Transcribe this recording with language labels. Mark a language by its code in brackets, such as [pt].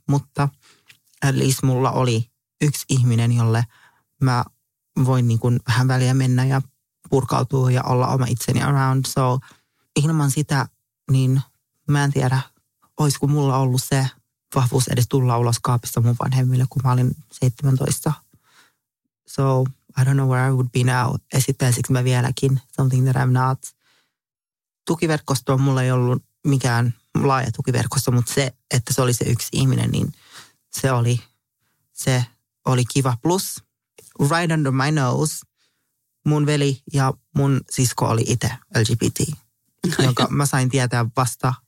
[fi] Mutta [en] at least [fi] mulla oli yksi ihminen, jolle mä voin niin kuin vähän väliä mennä ja purkautua ja olla oma itseni [en] around. [fi] So ilman sitä, niin mä en tiedä, olisiko mulla ollut se vahvuus edes tulla ulos kaapista mun vanhemmille, kun mä olin 17. [en] So I don't know where I would be now. [fi] Esittäisikö mä vieläkin [en] something that I'm not. [fi] Tukiverkosto on, mulla ei ollut mikään laaja tukiverkosto, mutta se, että se oli se yksi ihminen, niin se oli kiva. [en] Plus, right under my nose, [fi] mun veli ja mun sisko oli itse LGBT, jonka mä sain tietää vasta.